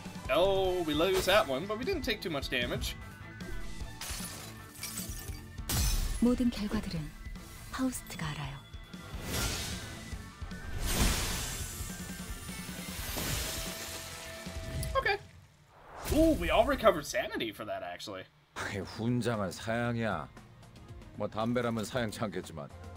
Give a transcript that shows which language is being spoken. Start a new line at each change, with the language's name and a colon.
English: Oh, we lose that one, but we didn't take too much damage.
Korean: 모든 결과들은 파우스트가 알아요.
English: Okay. Ooh, we all recovered sanity for that, actually.
Korean: 훈장은 사양이야. 뭐 담배라면 사양 참겠지만.